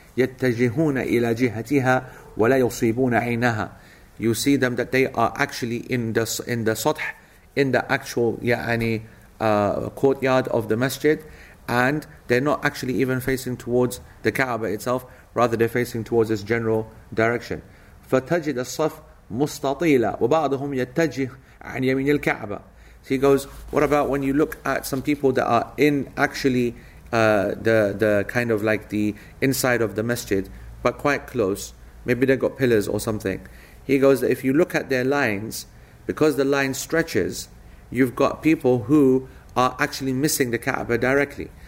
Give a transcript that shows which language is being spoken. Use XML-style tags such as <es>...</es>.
<ar>يَتَّجِهُونَ إِلَى جِهَتِهَا وَلَا يُصِيبُونَ عَيْنَهَا.</ar> <en>You see them that they are actually in the sath, in the actual courtyard of the Masjid, and they're not actually even facing towards the Kaaba itself, rather they're facing towards this general direction.</en> <ar>فَتَجِدَ الصَّفْ مستطيلة وبعضهم يتجه عن يمين الكعبة.</ar> <en>He goes, what about when you look at some people that are in actually the kind of like the inside of the masjid, but quite close, maybe they got pillars or something. He goes, if you look at their lines, because the line stretches, you've got people who are actually missing the Kaaba directly.</en>